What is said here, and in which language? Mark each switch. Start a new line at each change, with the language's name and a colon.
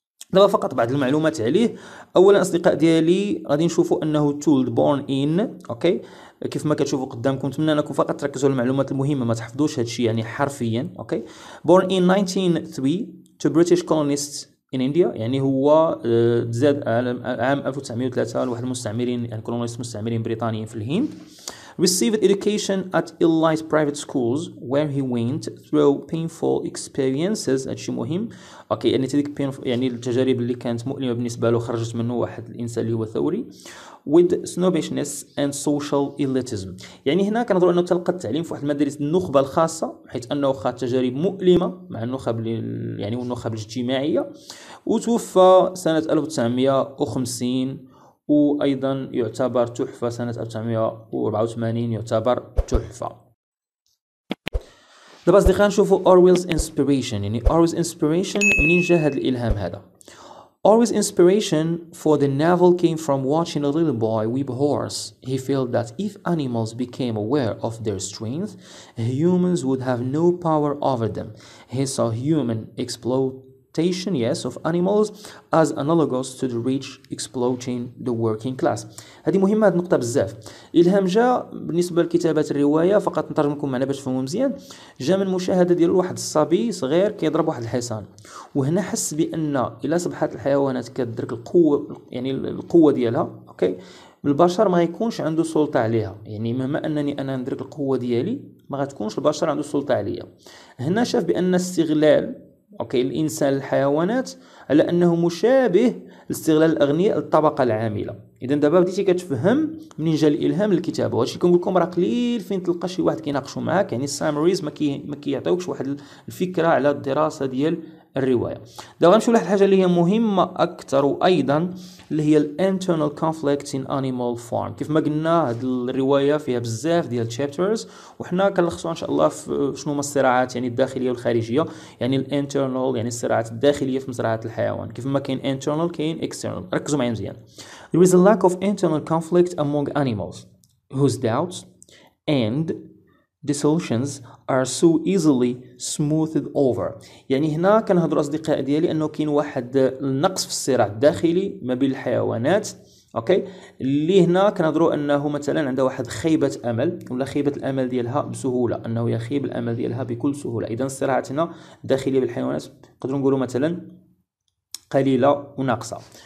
Arabic: دابا فقط بعض المعلومات عليه. اولا اصدقاء ديالي غادي نشوفوا انه تولد
English: born in,
Arabic: اوكي كيف ما كتشوفوا قدامكم، نتمنى انكم فقط تركزوا على المعلومات المهمه ما تحفظوش هذا الشيء يعني حرفيا. اوكي
English: born in 193 to British colonist in India,
Arabic: يعني هو زاد عام 1903 لواحد المستعمرين يعني كولونيست مستعمرين بريطانيين في الهند.
English: Received education at elite private schools where he went through painful experiences.
Arabic: هذا شيء مهم. اوكي يعني تلك يعني التجارب اللي كانت مؤلمه بالنسبه له خرجت منه واحد الانسان اللي هو ثوري.
English: With snobbishness and social elitism.
Arabic: يعني هنا كنظروا انه تلقى التعليم في واحد المدارس النخبه الخاصه، حيث انه خاض تجارب مؤلمه مع النخب يعني والنخب الاجتماعيه، وتوفى سنه 1950 وأيضا يعتبر تحفة سنة 1984 يعتبر تحفة. دابا أصدقاء نشوفوا
English: Orwell's inspiration،
Arabic: يعني Orwell's inspiration منين جاء هذا الإلهام هذا.
English: Orwell's inspiration for the novel came from watching a little boy whip horse. He felt that if animals became aware of their strength, humans would have no power over them. He saw human explode yes of animals as analogous to the rich exploiting the working class.
Arabic: هذه مهمة هذه النقطة بزاف. إلهام جاء بالنسبة لكتابة الرواية، فقط نترجم لكم معنا باش تفهموا مزيان، جاء من مشاهدة ديال واحد الصبي صغير كيضرب واحد الحصان، وهنا حس بأن إلا صبحت الحيوانات كتدرك القوة يعني القوة ديالها، أوكي البشر ما يكونش عنده سلطة عليها، يعني مهما أنني أنا ندرك القوة ديالي ما غتكونش البشر عنده سلطة عليها. هنا شاف بأن استغلال اوكي الانسان الحيوانات على انه مشابه لاستغلال الاغنياء للطبقه العامله. اذا دابا بديتي كتفهم منين جا الالهام للكتابه. هادشي كنقول لكم راه قليل فين تلقى شي واحد كيناقشوا معاك، يعني السامريز ما كيعطيوكش واحد الفكره على الدراسه ديال الروايه. دابا غنمشيو لواحد الحاجه اللي هي مهمه اكثر، وايضا اللي هي
English: الانترنال conflict in Animal Farm.
Arabic: كيف ما قلنا هاد الروايه فيها بزاف ديال تشابترز، وحنا كنلخصوا ان شاء الله في شنو هما الصراعات يعني الداخليه والخارجيه، يعني الانترنال يعني الصراعات الداخليه في مزرعه الحيوان. كيف ما كاين انترنال كاين اكسترنال، ركزوا معايا مزيان.
English: There is a lack of internal conflict among animals whose doubts and dissolutions are so easily smoothed over.
Arabic: يعني هنا كنهضروا اصدقائي ديالي انه كاين واحد النقص في الصراع الداخلي ما بين الحيوانات، اوكي اللي هنا كنهضروا انه مثلا عندها واحد خيبه امل، ولا خيبه الامل ديالها بسهوله، انه يخيب الامل ديالها بكل سهوله. اذا الصراعات هنا الداخليه بالحيوانات نقدروا نقولوا مثلا قليله وناقصه.